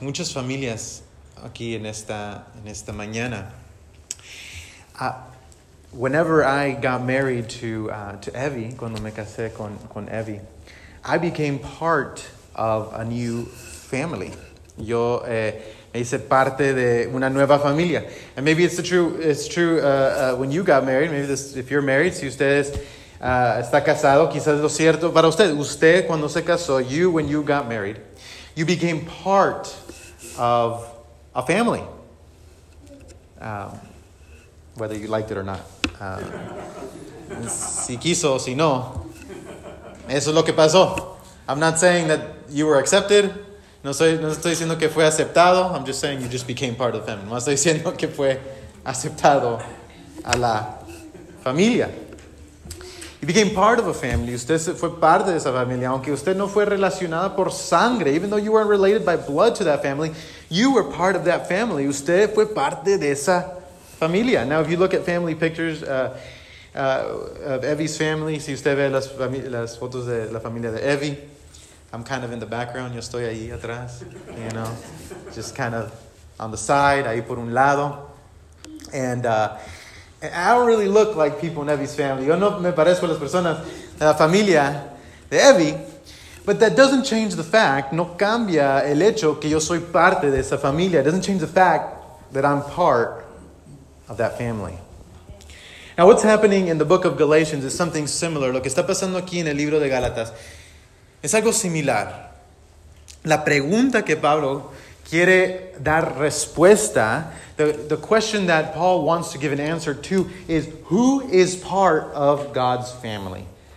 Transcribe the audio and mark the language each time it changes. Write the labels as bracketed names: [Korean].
[Spanish] Muchas familias aquí en esta mañana. [English] Whenever I got married to Evie, [Spanish] cuando me casé con Evie, [English] I became part of a new family. [Spanish] Yo me hice parte de una nueva familia. [English] And maybe it's true when you got married, maybe this, if you're married, [Spanish] si ustedes está casado, quizás lo cierto para usted. Usted cuando se casó, [English] you when you got married, you became part of a family, whether you liked it or not. [Spanish] Si quiso o si no, eso es lo que pasó. [English] I'm not saying that you were accepted. [Spanish] No estoy diciendo que fue aceptado. [English] I'm just saying you just became part of the family. [Spanish] No estoy diciendo que fue aceptado a la familia. [English] You became part of a family. [Spanish] Usted fue parte de esa familia, aunque usted no fue relacionada por sangre. [English] Even though you weren't related by blood to that family, you were part of that family. [Spanish] Usted fue parte de esa familia. [English] Now, if you look at family pictures of Evie's family, [Spanish] si usted ve las fotos de la familia de Evie, [English] I'm kind of in the background. [Spanish] Yo estoy ahí atrás, [English] you know, just kind of on the side, [Spanish] ahí por un lado. [English] And I don't really look like people in Evie's family. [Spanish] Yo no me parezco a las personas de la familia de Evie. [English] But that doesn't change the fact, [Spanish] no cambia el hecho que yo soy parte de esa familia. [English] It doesn't change the fact that I'm part of that family. Now, what's happening in the book of Galatians is something similar. [Spanish] Lo que está pasando aquí en el libro de Gálatas es algo similar. La pregunta que Pablo quiere dar respuesta, [English] the question that Paul wants to give an answer to is, who is part of God's family?